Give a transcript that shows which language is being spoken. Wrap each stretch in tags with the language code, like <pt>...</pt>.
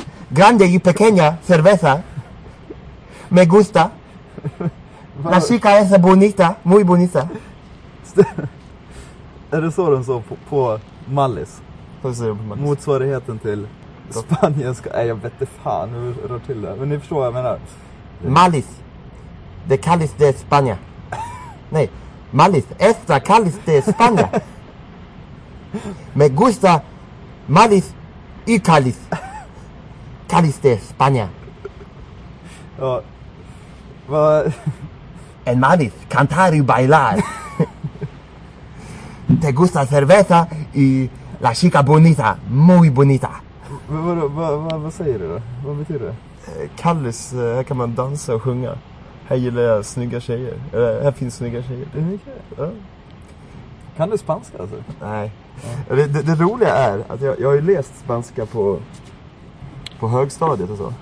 <es>Grande y pequeña cerveza. Me gusta. La chica es bonita, muy bonita.</es> <sv>Är det så de sa på Mallis? Motsvarigheten till spanjenska. Nej, jag vet inte fan hur det rör till det. Men ni förstår vad jag menar. Mallis. Det kallas det Spanien. Nej. Mallis.</sv> <es>Esta</es> <sv>kallas det Spanien.</sv> <es>Me gusta Mallis y Kallis.</es> <sv>Kallas det Spanien. Ja. Vad...</sv> <es>En Mallis, cantar y bailar. Te gusta cerveza y la chica bonita, muy bonita.</es> <sv>Vad säger du då? Vad betyder det? Kallis, här kan man dansa och sjunga. Här gillar jag snygga tjejer. Här finns snygga tjejer. Kan du spanska alltså? Nej. Ja. Det roliga är att jag har ju läst spanska på högstadiet och så.</sv>